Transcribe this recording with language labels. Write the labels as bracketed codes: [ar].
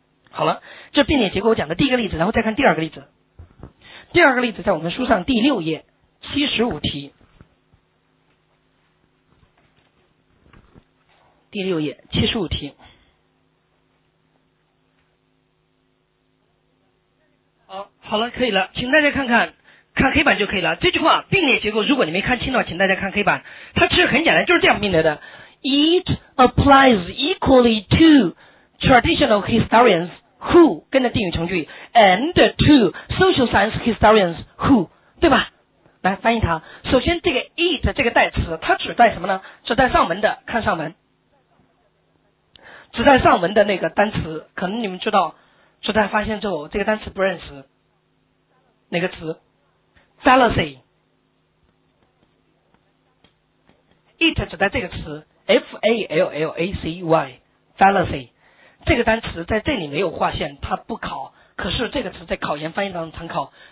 [zh] 好了，这并列结构我讲的第一个例子，然后再看第二个例子。第二个例子在我们书上第六页75题，第六页75题。好了，可以了，请大家看看，看黑板就可以了。这句话并列结构，如果你没看清的话，请大家看黑板。它其实很简单，就是这样并列的。 [en] It applies equally to traditional historians who [zh] 跟着定语从句 [en] and to social science historians who， [zh] 对吧？来翻译它。首先，这个 it 这个代词，它指代什么呢？指代上文的，看上文。指代上文的那个单词，可能你们知道，指代发现之后，这个单词不认识。哪个词 fallacy， it 指代这个词 F-A-L-L-A-C-Y fallacy， 这个单词在这里没有划线，它不考，可是这个词在考研翻译当中常考。